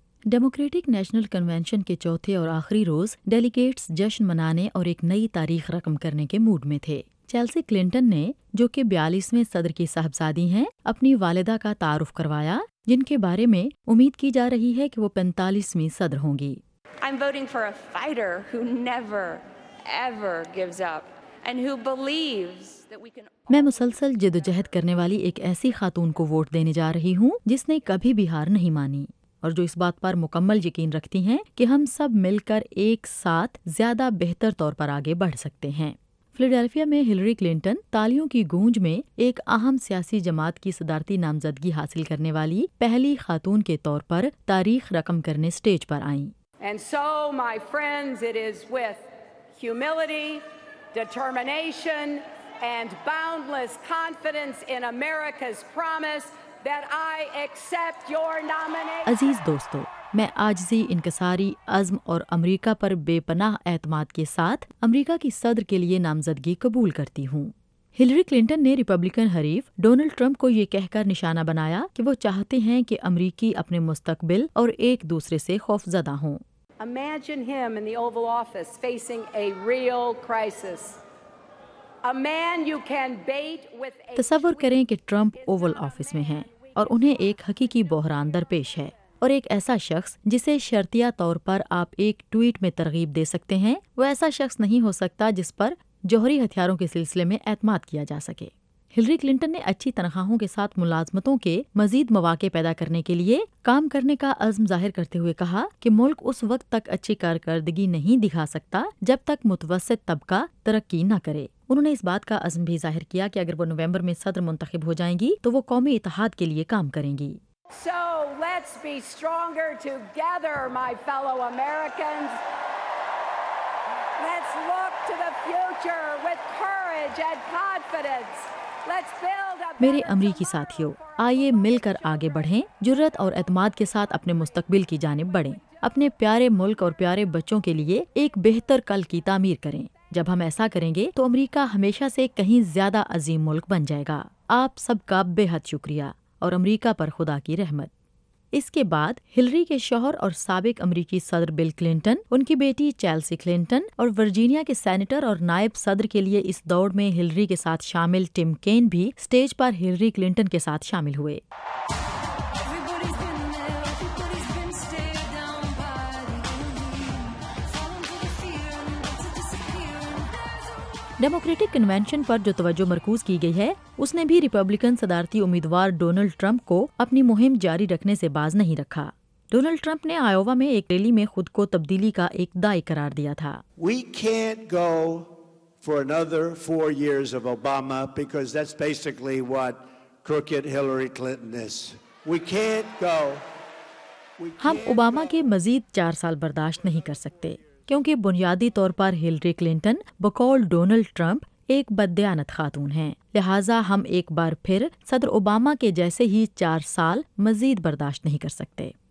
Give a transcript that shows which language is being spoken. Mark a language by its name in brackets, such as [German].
[Urdu] Democratic national convention کے چوتھے اور آخری روز ڈیلیگیٹس جشن منانے اور ایک نئی تاریخ رقم کرنے کے موڈ میں تھے۔ چیلسی کلنٹن نے، جو کہ 42ویں صدر کی صاحبزادی ہیں، اپنی والدہ کا تعارف کروایا، جن کے بارے میں امید کی جا رہی ہے کہ وہ 45ویں صدر ہوں گی۔ [English] I'm voting for a fighter who never, ever gives up and who believes that we can... [Urdu] میں مسلسل جدوجہد کرنے والی ایک ایسی خاتون کو ووٹ دینے جا رہی ہوں جس نے کبھی بھی ہار نہیں مانی اور جو اس بات پر مکمل یقین رکھتی ہیں کہ ہم سب مل کر ایک ساتھ زیادہ بہتر طور پر آگے بڑھ سکتے ہیں۔ فلیڈیلفیا میں ہلری کلنٹن تالیوں کی گونج میں ایک اہم سیاسی جماعت کی صدارتی نامزدگی حاصل کرنے والی پہلی خاتون کے طور پر تاریخ رقم کرنے سٹیج پر آئیں۔ [English] And so, my friends, it is with humility, determination, and boundless confidence in America's promise that I accept your nomination. [Urdu] عزیز دوستو، میں عاجزی، انکساری، عزم اور امریکہ پر بے پناہ اعتماد کے ساتھ امریکہ کی صدر کے لیے نامزدگی قبول کرتی ہوں۔ ہلری کلنٹن نے ریپبلکن حریف ڈونلڈ ٹرمپ کو یہ کہہ کر نشانہ بنایا کہ وہ چاہتے ہیں کہ امریکی اپنے مستقبل اور ایک دوسرے سے خوف زدہ ہوں۔ [English] Imagine him in the Oval Office facing a real crisis. A man you can bait with a... [Urdu] تصور کریں کہ ٹرمپ اوول آفس میں ہیں اور انہیں ایک حقیقی بحران درپیش ہے، اور ایک ایسا شخص جسے شرطیہ طور پر آپ ایک ٹویٹ میں ترغیب دے سکتے ہیں، وہ ایسا شخص نہیں ہو سکتا جس پر جوہری ہتھیاروں کے سلسلے میں اعتماد کیا جا سکے۔ ہلری کلنٹن نے اچھی تنخواہوں کے ساتھ ملازمتوں کے مزید مواقع پیدا کرنے کے لیے کام کرنے کا عزم ظاہر کرتے ہوئے کہا کہ ملک اس وقت تک اچھی کارکردگی نہیں دکھا سکتا جب تک متوسط طبقہ ترقی نہ کرے۔ انہوں نے اس بات کا عزم بھی ظاہر کیا کہ اگر وہ نومبر میں صدر منتخب ہو جائیں گی تو وہ قومی اتحاد کے لیے کام کریں گی۔ [English] So let's be stronger together, my fellow Americans. Let's look to the future with courage and confidence. Let's build a... [Urdu] میرے امریکی ساتھیو، آئیے مل کر آگے بڑھیں، جرات اور اعتماد کے ساتھ اپنے مستقبل کی جانب بڑھیں، اپنے پیارے ملک اور پیارے بچوں کے لیے ایک بہتر کل کی تعمیر کریں۔ جب ہم ایسا کریں گے تو امریکہ ہمیشہ سے کہیں زیادہ عظیم ملک بن جائے گا۔ آپ سب کا بے حد شکریہ، اور امریکہ پر خدا کی رحمت۔ اس کے بعد ہلری کے شوہر اور سابق امریکی صدر بل کلنٹن، ان کی بیٹی چیلسی کلنٹن اور ورجینیا کے سینیٹر اور نائب صدر کے لیے اس دوڑ میں ہلری کے ساتھ شامل ٹم کین بھی سٹیج پر ہلری کلنٹن کے ساتھ شامل ہوئے۔ ڈیموکریٹک کنونشن پر جو توجہ مرکوز کی گئی ہے، اس نے بھی ریپبلکن صدارتی امیدوار ڈونلڈ ٹرمپ کو اپنی مہم جاری رکھنے سے باز نہیں رکھا۔ ڈونلڈ ٹرمپ نے آیووا میں ایک ریلی میں خود کو تبدیلی کا ایک دائی قرار دیا تھا۔ [English] We can't go for another four years of Obama because that's basically what crooked Hillary Clinton is. We can't go. [Urdu] ہم اوباما کے مزید چار سال برداشت نہیں کر سکتے، کیونکہ بنیادی طور پر ہلری کلنٹن بقول ڈونلڈ ٹرمپ ایک بددیانت خاتون ہیں، لہٰذا ہم ایک بار پھر صدر اوباما کے جیسے ہی چار سال مزید برداشت نہیں کر سکتے۔